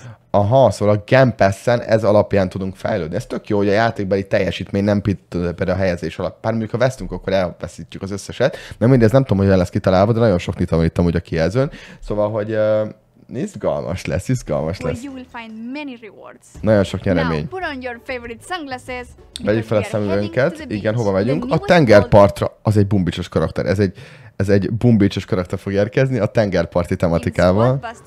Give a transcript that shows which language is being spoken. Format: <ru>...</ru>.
<hu>Aha, szóval a Gem Pass-en ez alapján tudunk fejlődni. Ez tök jó, hogy a játékbeli teljesítmény nem például a helyezés alap. Bár mondjuk, ha vesztünk, akkor elveszítjük az összeset. Nem mindez, nem tudom, hogy el lesz kitalálva, de nagyon sok nyitva van itt amúgy a kijelzőn. Szóval, hogy izgalmas lesz, izgalmas lesz.</hu> <en>You will find many rewards.</en> <hu>Nagyon sok nyeremény.</hu> <en>Now, put on your favorite sunglasses.</en> <hu>Vegyük fel a szemüvegünket. Igen, hova megyünk? A tengerpartra. Az egy bumbicsos karakter. Ez egy bumbicsos karakter fog érkezni a tengerparti tematikával.</hu>